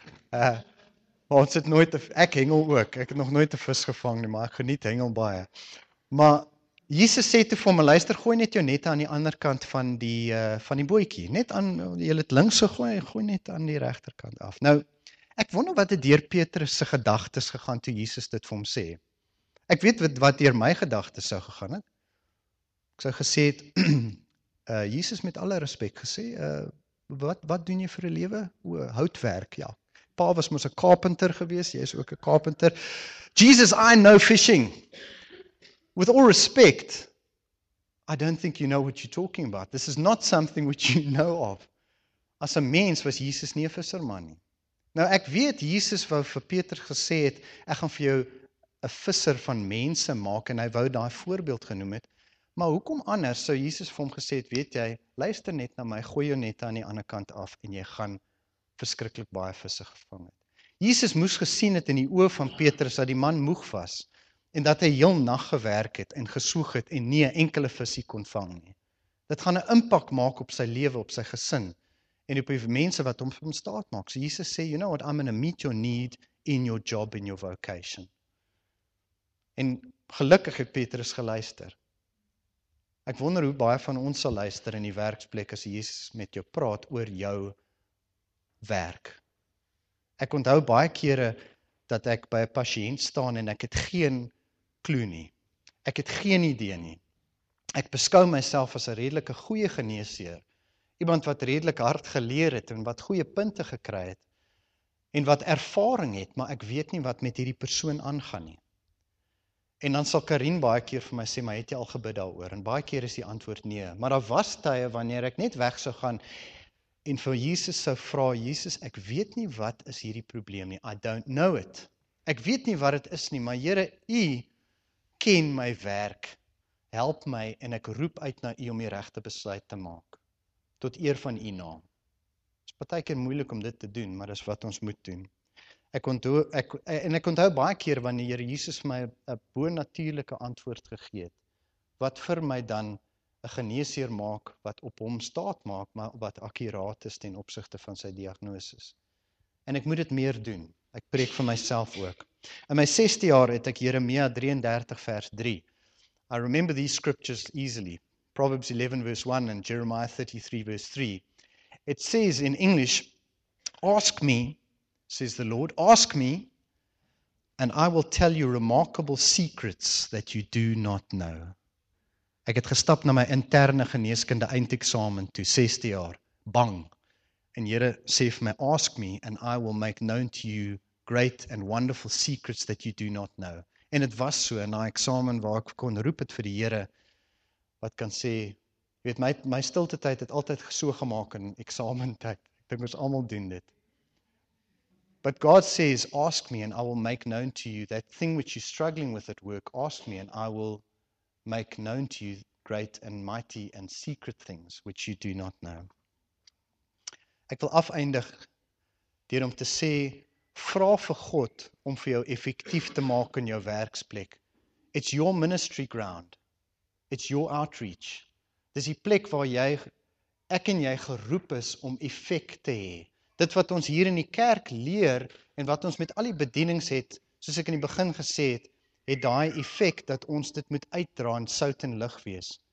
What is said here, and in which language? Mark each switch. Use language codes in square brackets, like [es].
[af] maar ons het nooit, ek hengel ook, ek het nog nooit 'n vis gevang nie, maar ek geniet hengel baie. Maar Jesus sê toe vir my, luister, gooi net jou nette aan die ander kant van die bootjie. Net aan, jy het links gegooi, gooi net aan die regterkant af. Nou, ek wonder wat het deur Petrus se gedagtes gegaan toe Jesus dit vir hom sê. Ek weet wat deur my gedagtes sou gegaan het. Ek sou gesê het, Jesus met alle respek gesê, wat doen jy vir 'n lewe? O, houtwerk, ja. Pa was mos 'n carpenter gewees, jy is ook 'n carpenter. [en] Jesus, I know fishing. With all respect, I don't think you know what you're talking about. This is not something which you know of. [af] As 'n mens was Jesus nie 'n visserman nie. Nou ek weet Jesus wou vir Petrus gesê het, ek gaan vir jou 'n visser van mense maak, en hy wou daai voorbeeld genoem het. Maar hoekom anders sou Jesus vir hom gesê het, weet jy, luister net na my, gooi jou nette aan die ander kant af en jy gaan verskriklik baie visse gevang het. Jesus moes gesien het in die oë van Petrus dat die man moeg was en dat hy heel nag gewerk het en gesoeg het en nie 'n enkele visie kon vang nie. Dit gaan 'n impak maak op sy lewe, op sy gesin en op die mense wat hom van staat maak. So Jesus sê, [en] you know what, I'm going to meet your need in your job, in your vocation. [af] En gelukkig het Petrus geluister. Ek wonder hoe baie van ons sal luister in die werksplek as Jesus met jou praat oor jou werk. Ek onthou baie kere dat ek by 'n pasiënt staan en ek het geen klou nie. Ek het geen idee nie. Ek beskou myself as 'n redelike goeie geneesheer. Iemand wat redelik hard geleer het en wat goeie punte gekry het en wat ervaring het, maar ek weet nie wat met hierdie persoon aangaan nie. En dan sal Karin baie keer vir my sê, maar het jy al gebid daaroor? En baie keer is die antwoord nee. Maar daar was tye wanneer ek net weg sou gaan en vir Jesus sou vra, Jesus, ek weet nie wat is hierdie probleem nie. [en] I don't know it. [af] Ek weet nie wat dit is nie, maar Here, U ken my werk. Help my en ek roep uit na U om die regte besluit te maak. Tot eer van U naam. Dit is baie keer moeilik om dit te doen, maar dis wat ons moet doen. Ek onthou baie keer wanneer die Here Jesus my 'n bo-natuurlike antwoord gegee het wat vir my dan 'n geneesheer maak wat op hom staat maak maar wat akkuraat is ten opsigte van sy diagnose. En ek moet dit meer doen. Ek preek vir myself ook. In my 6de jaar het ek Jeremia 33 vers 3. [en] I remember these scriptures easily. Proverbs 11 verse 1 and Jeremiah 33 verse 3. It says in English, "Ask me," says the Lord, "ask me and I will tell you remarkable secrets that you do not know." [af] Ek het gestap na my interne geneeskunde eindeksamen toe 6de jaar. Bang. En Here sê vir my, [en] "Ask me and I will make known to you great and wonderful secrets that you do not know." [af] En dit was so in daai eksamen waar ek kon roep dit vir die Here wat kan sê, jy weet my stilte tyd het altyd so gemaak in eksamen tyd. Ek dink ons almal doen dit. [en] But God says, "Ask me and I will make known to you that thing which you're struggling with at work. Ask me and I will make known to you great and mighty and secret things which you do not know." [af] Ek wil afeindig deur om te sê, vra vir God om vir jou effektief te maak in jou werksplek. [en] It's your ministry ground. It's your outreach. [af] Dis die plek waar jy, ek en jy geroep is om effek te hê. Dit wat ons hier in die kerk leer en wat ons met al die bedienings het, soos ek in die begin gesê het, het daai effek dat ons dit moet uitdra en sout en lig wees.